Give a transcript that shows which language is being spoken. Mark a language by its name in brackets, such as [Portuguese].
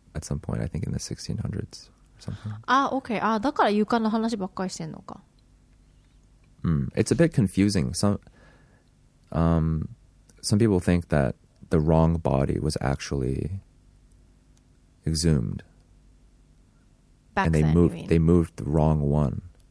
[English] At some point, I think in the 1600s or something. Ah, okay. [Japanese] Ah, だから床の話ばっかりしてんのか。 [English] It's a bit confusing. Some people think that the wrong body was actually exhumed. Back and they then, moved, you mean? They moved the wrong one.